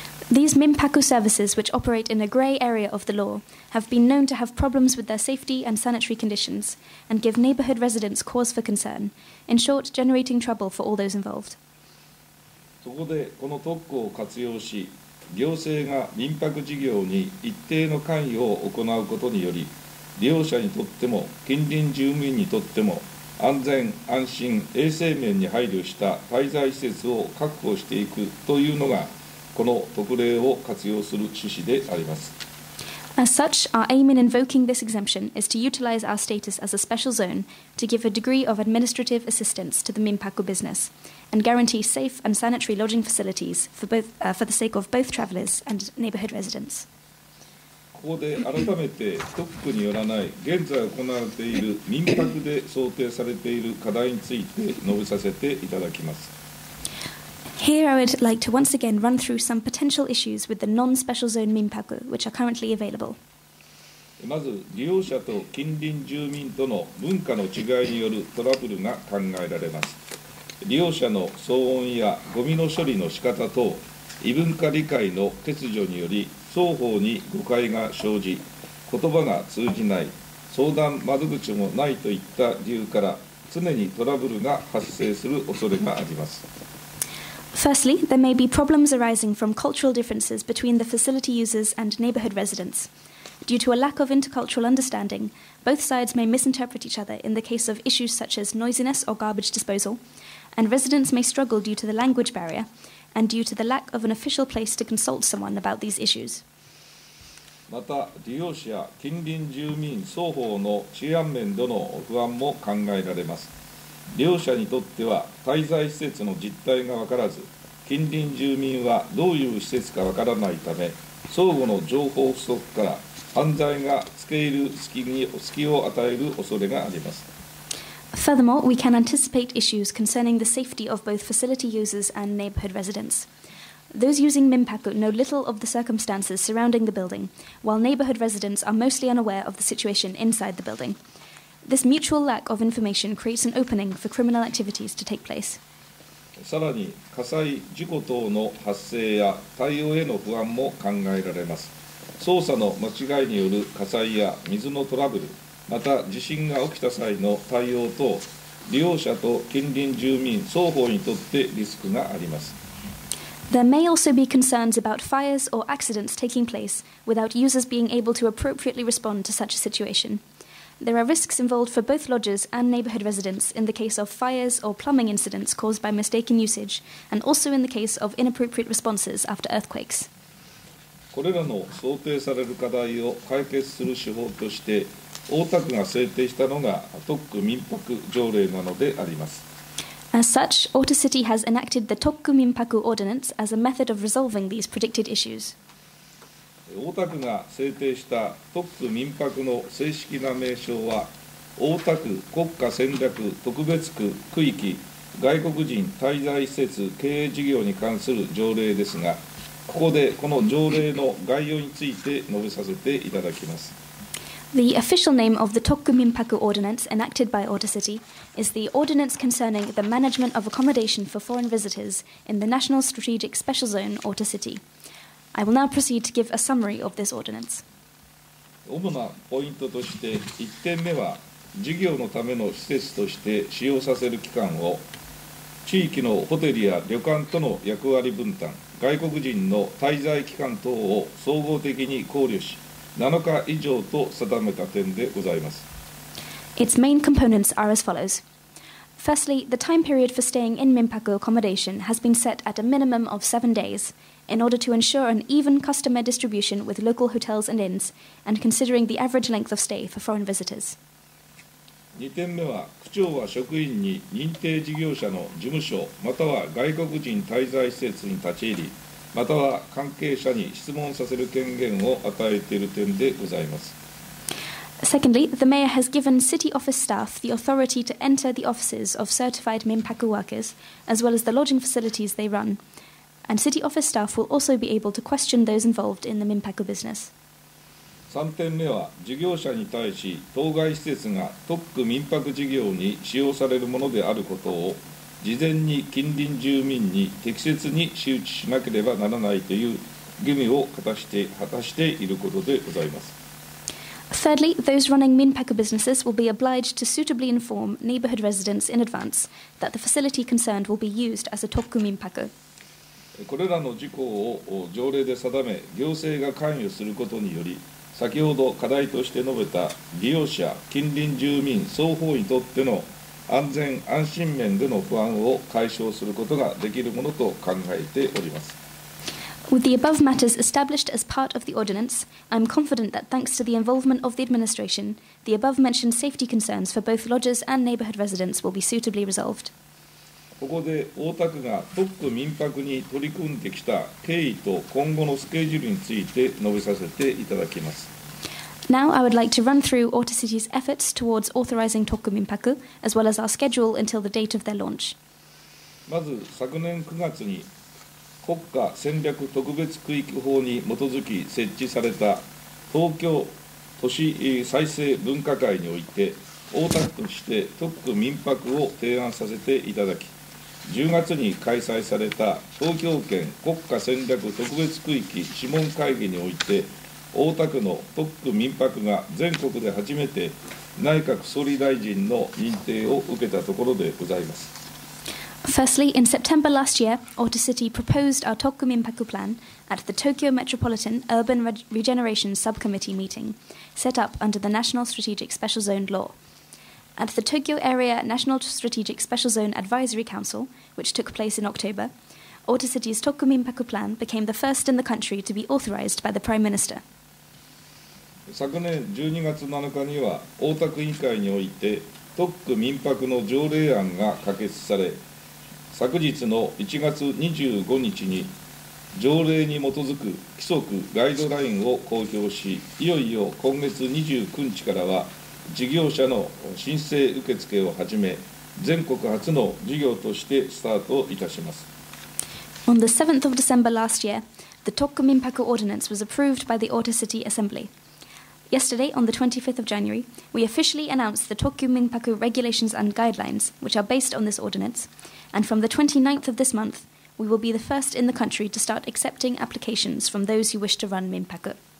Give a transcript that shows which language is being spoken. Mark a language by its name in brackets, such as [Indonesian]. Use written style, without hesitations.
[English] These Minpaku services, which operate in a grey area of the law, have been known to have problems with their safety and sanitary conditions, and give neighbourhood residents cause for concern, in short, generating trouble for all those involved. [Japanese] そこでこの特区を活用し、行政が民泊事業に一定の関与を行うことにより、利用者にとっても近隣住民にとっても安全、安心、衛生面に配慮した滞在施設を確保していくというのが、この特例を活用する趣旨であります。 [English] As such, our aim in invoking this exemption is to utilize our status as a special zone to give a degree of administrative assistance to the Minpaku business and guarantee safe and sanitary lodging facilities for both, for the sake of both travelers and neighborhood residents. [Japanese] ここで改めて特区によらない現在行われている民泊で想定されている課題について述べさせていただきます。 [English] Here I would like to once again run through some potential issues with the non-special zone Minpaku, which are currently available. [Japanese] まず、利用者と近隣住民との文化の違いによるトラブルが考えられます。利用者の騒音やゴミの処理の仕方等、異文化理解の欠如により、双方に誤解が生じ、言葉が通じない、相談窓口もないといった理由から、常にトラブルが発生する恐れがあります。 [English] Firstly, there may be problems arising from cultural differences between the facility users and neighborhood residents. Due to a lack of intercultural understanding, both sides may misinterpret each other in the case of issues such as noisiness or garbage disposal, and residents may struggle due to the language barrier and due to the lack of an official place to consult someone about these issues. [Japanese] また、利用者、近隣住民双方の治安面での不安も考えられます。両者にとっては滞在施設の実態が分からず、近隣住民はどういう施設か分からないため、相互の情報不足から犯罪がつけ入る隙を与える恐れがあります。 [English] Furthermore, we can anticipate issues concerning the safety of both facility users and neighborhood residents. Those using Minpaku know little of the circumstances surrounding the building, while neighbourhood residents are mostly unaware of the situation inside the building. This mutual lack of information creates an opening for criminal activities to take place. [Japanese] さらに火災事故等の発生や対応への不安も考えられます。操作の間違いによる火災や水のトラブル、また地震が起きた際の対応等、利用者と近隣住民双方にとってリスクがあります。 [English] There may also be concerns about fires or accidents taking place without users being able to appropriately respond to such a situation. There are risks involved for both lodges and neighborhood residents in the case of fires or plumbing incidents caused by mistaken usage, and also in the case of inappropriate responses after earthquakes. [Japanese] これらの想定される課題を解決する手法として、大田区が制定したのが特区民泊条例なのであります。 [English] As such, Ota City has enacted the Tokku Minpaku Ordinance as a method of resolving these predicted issues. [Japanese] Ota区が制定した Tokku Minpaku の正式な名称は、大田区国家戦略特別区区域外国人滞在施設経営事業に関する条例ですが、ここでこの条例の概要について述べさせていただきます。 [English] The official name of the Tokku Minpaku Ordinance enacted by Ota City is the Ordinance Concerning the Management of Accommodation for Foreign Visitors in the National Strategic Special Zone, Ota City. I will now proceed to give a summary of this ordinance. [Japanese] 主なポイントとして1点目は事業のための施設として使用させる期間を地域のホテルや旅館との役割分担、外国人の滞在期間等を総合的に考慮し7日以上と定めた点でございます。 [English] Its main components are as follows. Firstly, the time period for staying in Minpaku accommodation has been set at a minimum of 7 days in order to ensure an even customer distribution with local hotels and inns and considering the average length of stay for foreign visitors. [Japanese] 2点目は、区長は職員に認定事業者の事務所または外国人滞在施設に立ち入りまたは関係者に質問させる権限を与えている点でございます。 [English] Secondly, the mayor has given city office staff the authority to enter the offices of certified Minpaku workers, as well as the lodging facilities they run. And city office staff will also be able to question those involved in the Minpaku business. [Japanese] 3点目は、事業者に対し、当該施設が特区民泊事業に使用されるものであることを事前に近隣住民に適切に周知しなければならないという義務を果たしていることでございます。 [English] Thirdly, those running Minpaku businesses will be obliged to suitably inform neighborhood residents in advance that the facility concerned will be used as a Tokku Minpaku. [Japanese] これらの事項を条例で定め、行政が関与することにより、先ほど課題として述べた利用者、近隣住民双方にとっての安全安心面での不安を解消することができるものと考えております。 [English] With the above matters established as part of the ordinance, I'm confident that thanks to the involvement of the administration, the above mentioned safety concerns for both lodgers and neighborhood residents will be suitably resolved. [Japanese] ここで大田区が特区民泊に取り組んできた経緯と今後のスケジュールについて述べさせていただきます。 [English] Now I would like to run through Ota City's efforts towards authorizing Tokku Minpaku, as well as our schedule until the date of their launch. [Japanese] まず昨年9月に国家戦略特別区域法に基づき設置された東京都市再生分科会において大田区として特区民泊を提案させていただき、10月に開催された東京圏国家戦略特別区域諮問会議において大田区の特区民泊が全国で初めて内閣総理大臣の認定を受けたところでございます。 [English] Firstly, in September last year, Ota City proposed our Tokku Minpaku plan at the Tokyo Metropolitan Urban Regeneration Subcommittee meeting, set up under the National Strategic Special Zone Law. At the Tokyo Area National Strategic Special Zone Advisory Council, which took place in October,Ota City's Tokku Minpaku plan became the first in the country to be authorized by the Prime Minister. [Japanese] 昨年12月7日には大田区委員会において特区民泊の条例案が可決され、昨日の1月25日に条例に基づく規則ガイドラインを公表し、いよいよ今月29日からは事業者の申請受付を始め、全国初の事業としてスタートいたします。 [English] On the 7th of December last year, the Tokku Minpaku Ordinance was approved by the Ota City Assembly. Yesterday, on the 25th of January, we officially announced the Tokku Minpaku Regulations and Guidelines, which are based on this ordinance, and from the 29th of this month, we will be the first in the country to start accepting applications from those who wish to run Minpaku.